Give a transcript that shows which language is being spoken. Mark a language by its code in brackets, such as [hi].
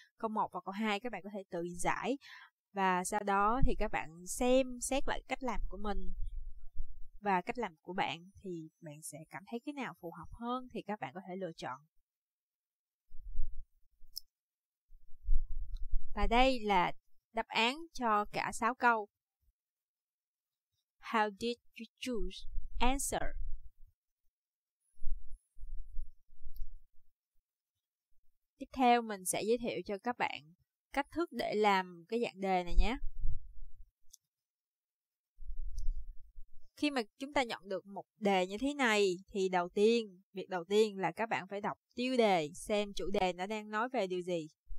[vi] Câu 1 và câu 2 các bạn có thể tự giải. Và sau đó thì các bạn xem xét lại cách làm của mình và cách làm của bạn, thì bạn sẽ cảm thấy cái nào phù hợp hơn thì các bạn có thể lựa chọn. Và đây là đáp án cho cả 6 câu. [en] How did you choose answer? [vi] Tiếp theo mình sẽ giới thiệu cho các bạn cách thức để làm cái dạng đề này nhé. Khi mà chúng ta nhận được một đề như thế này thì việc đầu tiên là các bạn phải đọc tiêu đề xem chủ đề nó đang nói về điều gì.